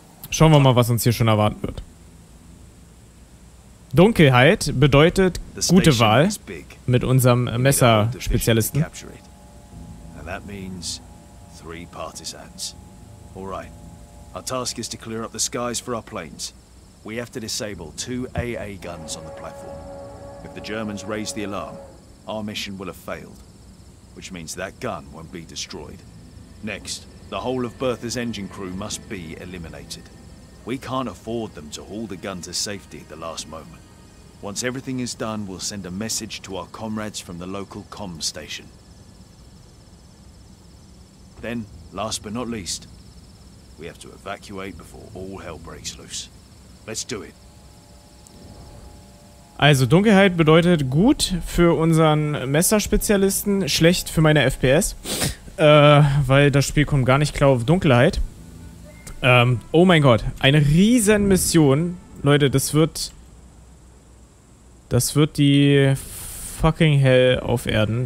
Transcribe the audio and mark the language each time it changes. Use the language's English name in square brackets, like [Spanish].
[German] Schauen wir mal, was uns hier schon erwarten wird. Dunkelheit bedeutet gute Wahl mit unserem Messerspezialisten. [English] And that means three partisans. All right. Our task is to clear up the skies for our planes. We have to disable two AA guns on the platform. If the Germans raise the alarm, our mission will have failed, which means that gun won't be destroyed. Next, the whole of Bertha's engine crew must be eliminated. We can't afford them to haul the gun to safety at the last moment. Once everything is done, we'll send a message to our comrades from the local comm station. Then, last but not least, we have to evacuate before all hell breaks loose. Let's do it. [German] Also Dunkelheit bedeutet gut für unseren Messerspezialisten, schlecht für meine FPS. Weil das Spiel kommt gar nicht klar auf Dunkelheit. Oh mein Gott, eine riesen Mission. Leute, das wird die fucking Hell auf Erden.